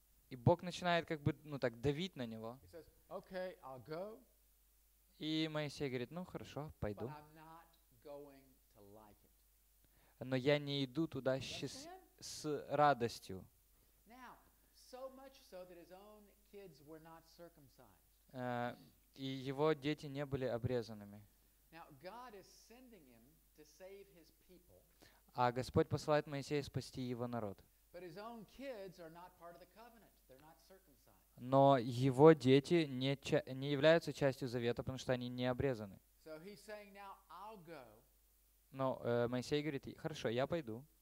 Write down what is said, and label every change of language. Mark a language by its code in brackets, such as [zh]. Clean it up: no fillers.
[ru] И Бог начинает как бы, ну так, давить на него. [en] He says, okay, I'll go. [ru] И Моисей говорит, ну хорошо, пойду. [en] But I'm not going to like it. [ru] Но я не иду туда с радостью. [en] Now, so much so that his own kids were not circumcised. [ru] И его дети не были обрезанными. [en] Now, God is sending him to save his people. [ru] А Господь посылает Моисея спасти его народ. [en] But his own kids are not part of the covenant. They're not circumcised. [ru] Но его дети не являются частью завета, потому что они не обрезаны. [en] So he's saying, now I'll go. [ru] Но Моисей говорит, хорошо, я пойду.